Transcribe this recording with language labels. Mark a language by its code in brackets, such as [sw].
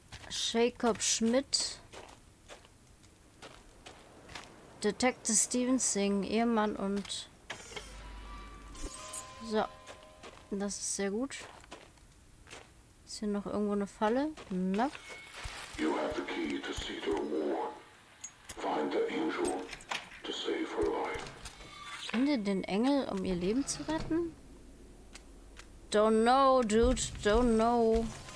[de] Jacob Schmidt? Detective Steven Singh, Ehemann und... So, das ist sehr gut. Ist hier noch irgendwo eine Falle? Na? [en] You have the key to Cedar War. Find the angel to save her life. [de] Finde den Engel, um ihr Leben zu retten? [en] Don't know, dude, don't know.